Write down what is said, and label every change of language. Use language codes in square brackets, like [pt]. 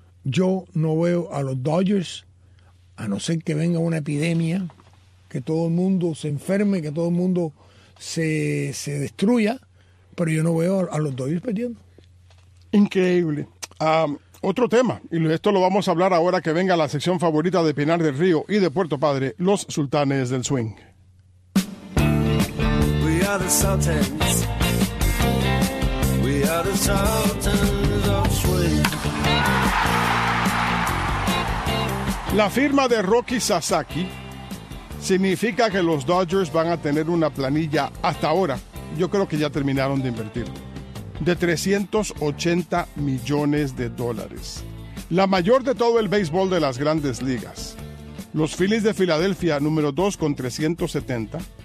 [es] Yo no veo a los Dodgers, a no ser que venga una epidemia, que todo el mundo se enferme, que todo el mundo se destruya, pero yo no veo a los Dodgers perdiendo. Increíble. Otro tema, y esto lo vamos a hablar ahora que venga la sección favorita de Pinar del Río y de Puerto Padre, los Sultanes del Swing. [en] We are the Sultans. We are the Sultans of Swing. [es] La firma de Rocky Sasaki significa que los Dodgers van a tener una planilla, hasta ahora, yo creo que ya terminaron de invertir, de $380 millones. La mayor de todo el béisbol de las grandes ligas. Los Phillies de Filadelfia, número 2 con 370.